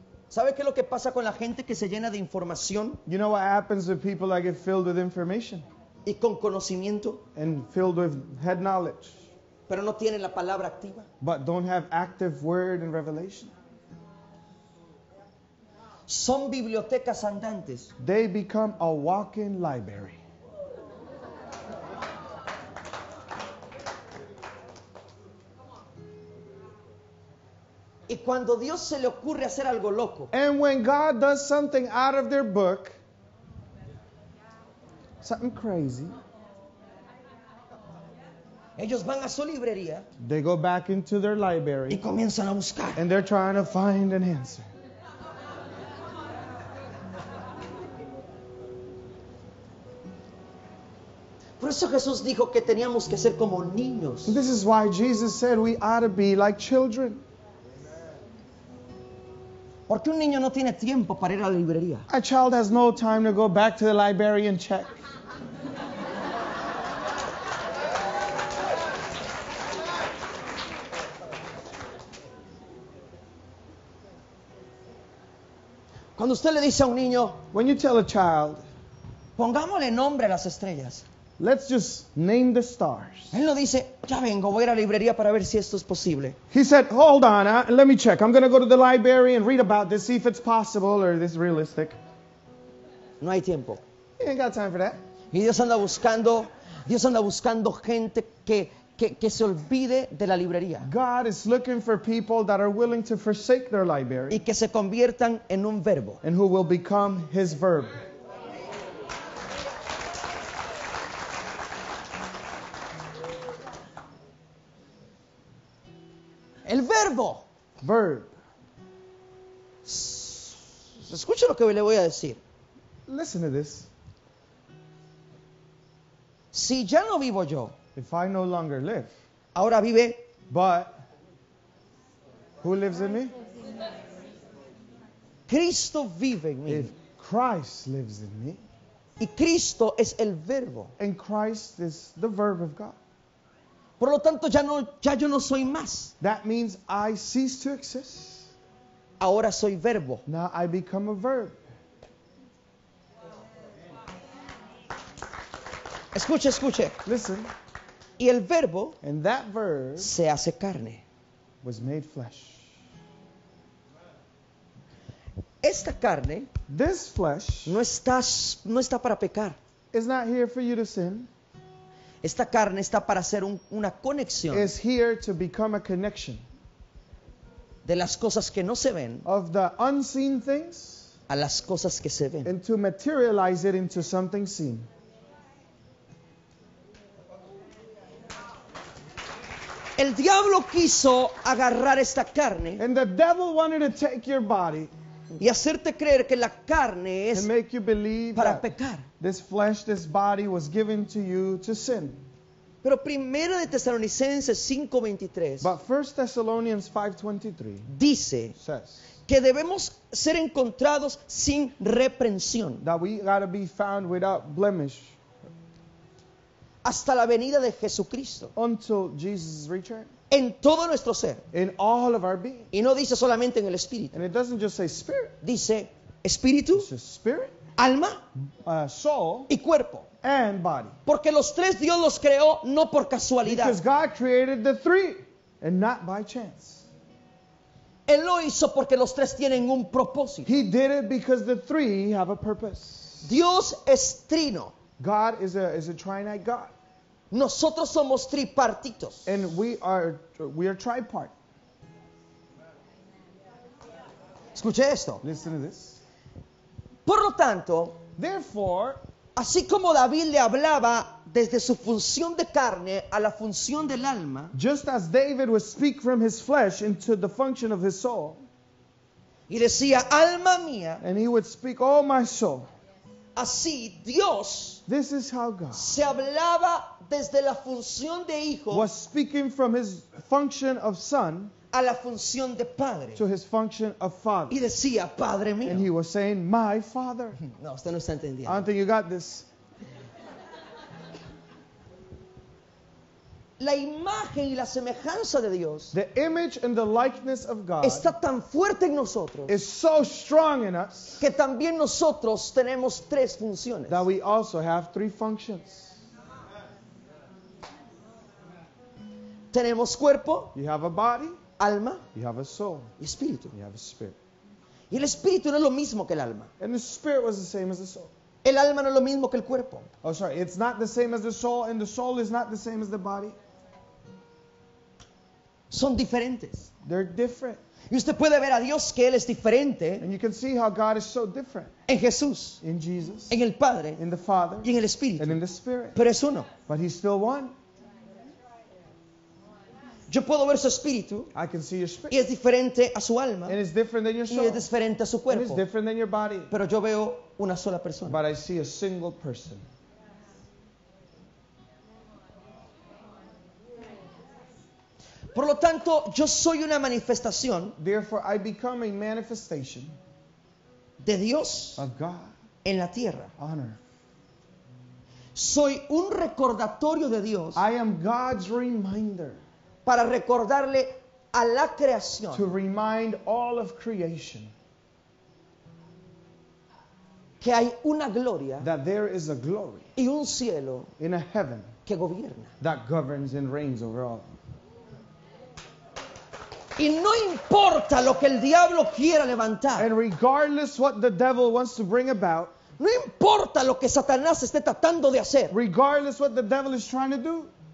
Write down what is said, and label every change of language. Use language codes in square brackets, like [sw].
[es] ¿Sabe qué es lo que pasa con la gente que se llena de información? [en] You know what happens with people that get filled with information? [es] Y con conocimiento. [en] And filled with head knowledge. [es] Pero no tienen la palabra activa. [en] But don't have active word and revelation. [es] Son bibliotecas andantes. [en] They become a walking library. [es] Y cuando Dios se le ocurre hacer algo loco. [en] And when God does something out of their book. Something crazy. [es] Ellos van a su librería. [en] They go back into their library. [es] Y comienzan a buscar. [en] And they're trying to find an answer. [es] Por eso Jesús dijo que teníamos que ser como niños. [en] This is why Jesus said we ought to be like children. [es] Porque un niño no tiene tiempo para ir a la librería. [en] A child has no time to go back to the library and check. [es] Cuando usted le dice a un niño, [en] when you tell a child, [es] pongámosle nombre a las estrellas. [en] Let's just name the stars. [es] Él no dice, ya vengo, voy a la librería para ver si esto es posible. [en] He said, hold on, let me check. I'm going to go to the library and read about this, see if it's possible or this is realistic. [es] No hay tiempo. [en] He ain't got time for that. [es] Y Dios anda buscando gente que se olvide de la librería. [en] God is looking for people that are willing to forsake their library. [es] Y que se conviertan en un verbo. [en] And who will become his verb. [es] El verbo. [en] Verb. [es] Escuche lo que le voy a decir. [en] Listen to this. [es] Si ya no vivo yo. [en] If I no longer live. [es] Ahora vive. [en] But. Who lives in me? [es] Cristo vive en mí. [en] If Christ lives in me. [es] Y Cristo es el verbo. [en] And Christ is the verb of God. [es] Por lo tanto, ya yo no soy más. [en] That means I cease to exist. [es] Ahora soy verbo. [en] Now I become a verb. [es] Escuche. [en] Listen. [es] Y el verbo, [en] and that verb, [es] se hace carne. [en] Was made flesh. [es] Esta carne, [en] this flesh, [es] no está para pecar. [en] Is not here for you to sin. [es] Esta carne está para hacer una conexión. [en] Is here to become a connection. [es] De las cosas que no se ven. [en] Of the unseen things. [es] A las cosas que se ven. [en] And to materialize it into something seen. [es] El diablo quiso agarrar esta carne. [en] And the devil wanted to take your body. [es] Y hacerte creer que la carne es para pecar. [en] This flesh, this body was given to you to sin. [es] Pero Primera de Tesalonicenses 5:23. [en] But 1 Thessalonians 5:23 [es] dice, [en] says, [es] que debemos ser encontrados sin reprensión. [en] That we gotta be found without blemish. [es] Hasta la venida de Jesucristo. [en] Until Jesus' return. [es] En todo nuestro ser. [en] In all of our being. [es] Y no dice solamente en el espíritu. [en] And it doesn't just say spirit. [es] Dice espíritu. [en] It's a spirit. [es] Alma. [en] Soul. [es] Y cuerpo. [en] And body. [es] Porque los tres Dios los creó no por casualidad. [en] Because God created the three. And not by chance. [es] Él lo hizo porque los tres tienen un propósito. [en] He did it because the three have a purpose. [es] Dios es trino. [en] God is a trinite God. [es] Nosotros somos tripartitos. [en] And we are tripart. [es] Escuche esto. [en] Listen to this. [es] Por lo tanto, [en] therefore, [es] así como David le hablaba desde su función de carne a la función del alma, [en] just as David would speak from his flesh into the function of his soul, [es] y decía, alma mía, [en] and he would speak, oh my soul, [es] así Dios, [en] this is how God, [es] se hablaba desde la función de hijo, [en] was speaking from his function of son, [es] a la función de padre, [en] to his function of father, [es] y decía, padre mío, [en] and he was saying, my father. [es] No, usted no está entendiendo. [en] I don't think you got this. [es] La imagen y la semejanza de Dios, [en] the image and the likeness of God, [es] está tan fuerte en nosotros, [en] is so strong in us, [es] que también nosotros tenemos tres funciones, [en] that we also have three functions. [es] Tenemos cuerpo, [en] you have a body, [es] alma, [en] you have a soul, [es] y espíritu, [en] you have a spirit. [es] Y el espíritu no es lo mismo que el alma. [en] And the spirit was the same as the soul. [es] El alma no es lo mismo que el cuerpo. [en] Oh, sorry, it's not the same as the soul, and the soul is not the same as the body. [es] Son diferentes. [en] They're different. [es] Y usted puede ver a Dios que Él es diferente. [en] And you can see how God is so different. [es] En Jesús. [en] In Jesus. [es] En el Padre. [en] In the Father. [es] Y en el Espíritu. [en] And in the Spirit. [es] Pero es uno. [en] But He's still one. [es] Yo puedo ver su espíritu. [en] I can see your spirit. [es] Y es diferente a su alma. [en] And it's different than your soul. [es] Y es diferente a su cuerpo. [en] And it's different than your body. [es] Pero yo veo una sola persona. [en] But I see a single person. [es] Por lo tanto, yo soy una manifestación. [en] Therefore, I become a manifestation [es] de Dios [en] of God [es] en la tierra. [en] On earth. [es] Soy un recordatorio de Dios. [en] I am God's reminder. [es] Para recordarle a la creación. [en] To remind all of creation. [es] Que hay una gloria. [en] That there is a glory. [es] Y un cielo. [en] In a heaven. [es] Que gobierna. [en] That governs and reigns over all. [es] Y no importa lo que el diablo quiera levantar. [en] And regardless what the devil wants to bring about. [es] No importa lo que Satanás esté tratando de hacer. [en] Regardless what the devil is trying to do.